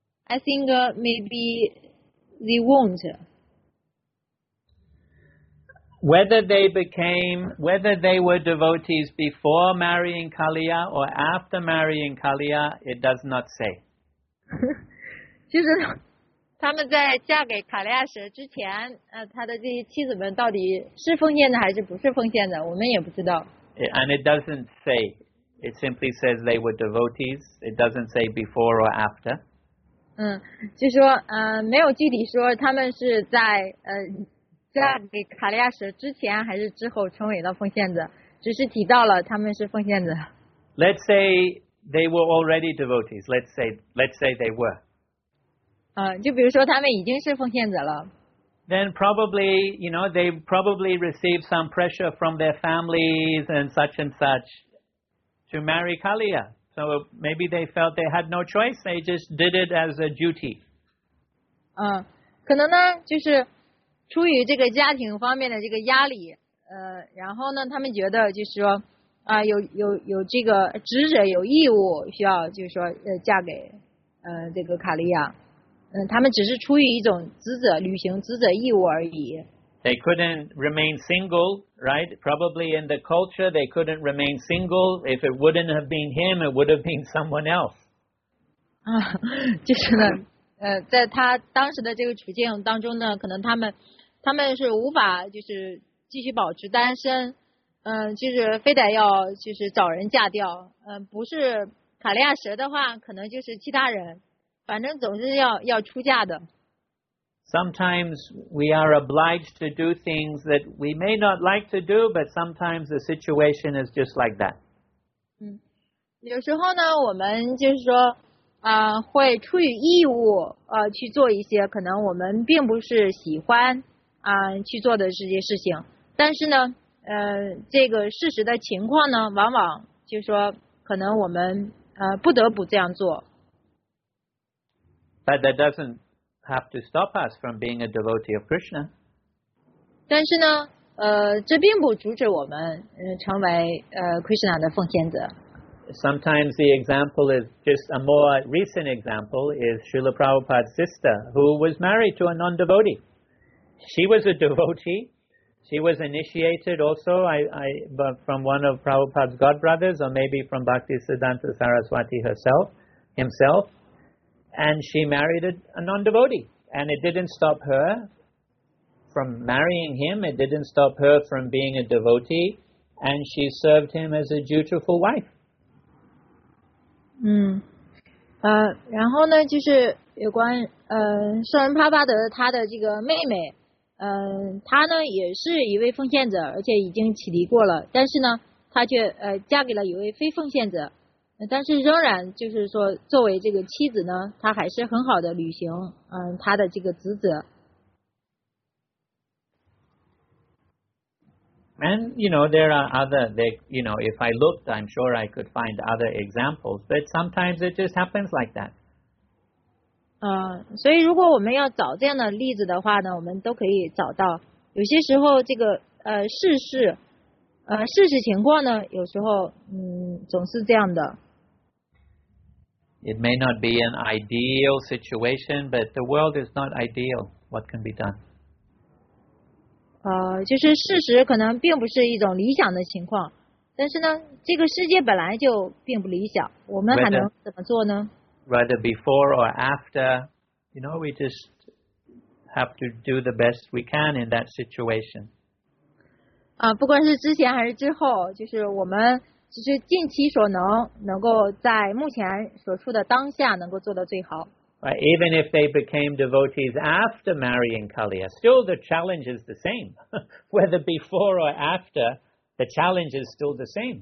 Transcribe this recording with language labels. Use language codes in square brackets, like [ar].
[en] I think maybe they won't. Whether they were devotees before marrying Kaliya or after marrying Kaliya, it does not say. [zh] 其实他们在嫁给卡利亚蛇之前，他的这些妻子们到底是奉献的还是不是奉献的，我们也不知道。 [en] And it doesn't say. It simply says they were devotees. It doesn't say before or after. [zh] 就说没有具体说他们是在嫁给卡利亚蛇之前还是之后成为了奉献者，只是提到了他们是奉献者。 [en] Let's say they were already devotees. Let's say they were. [zh] 就比如说他们已经是奉献者了。 [en] Then probably, you know, they probably received some pressure from their families and such to marry Kaliya. So maybe they felt they had no choice, they just did it as a duty. [zh] 可能呢，就是出于这个家庭方面的这个压力，然后呢，他们觉得就是说，有这个职责，有义务需要就是说嫁给这个卡利亚。他们只是出于一种职责，履行职责义务而已。 [en] They couldn't remain single, right? Probably in the culture, they couldn't remain single. If it wouldn't have been him, it would have been someone else. [zh] 就是呢，在他当时的这个处境当中呢，可能他们是无法就是继续保持单身，就是非得要就是找人嫁掉，不是卡利亚蛇的话，可能就是其他人。反正总是要出嫁的。 [en] Sometimes we are obliged to do things that we may not like to do, but sometimes the situation is just like that. [zh] 有时候呢，我们就是说，会出于义务，去做一些可能我们并不是喜欢，去做的这些事情。但是呢，这个事实的情况呢，往往就是说，可能我们不得不这样做。 [en] But that doesn't have to stop us from being a devotee of Krishna. [zh] 但是呢，这并不阻止我们成为Krishna 的奉献者。 [en] Sometimes the example is just a more recent example is Srila Prabhupada's sister who was married to a non-devotee. She was a devotee. She was initiated also from one of Prabhupada's godbrothers or maybe from Bhaktisiddhanta Saraswati himself. And she married a non-devotee. And it didn't stop her from marrying him. It didn't stop her from being a devotee. And she served him as a dutiful wife. [zh] 然后呢，就是有关圣人帕巴德他的这个妹妹，她呢也是一位奉献者，而且已经启迪过了。但是呢，她却嫁给了一位非奉献者。但是仍然就是说作为这个妻子呢，她还是很好的履行她的这个职责。 [en] And, you know, there are other, they, you know, if I looked, I'm sure I could find other examples, but sometimes it just happens like that. [zh] 所以如果我们要找这样的例子的话呢，我们都可以找到。有些时候这个事实情况呢，有时候总是这样的。 [en] It may not be an ideal situation, but the world is not ideal. What can be done? [zh] 就是事实可能并不是一种理想的情况，但是呢，这个世界本来就并不理想，我们还能怎么做呢？ [en] Whether before or after, you know, we just have to do the best we can in that situation. [zh] 不管是之前还是之后，就是我们只是尽其所能，能够在目前所处的当下能够做到最好。 [en] But even if they became devotees after marrying Kaliya, still the challenge is the same. Whether before or after, the challenge is still the same.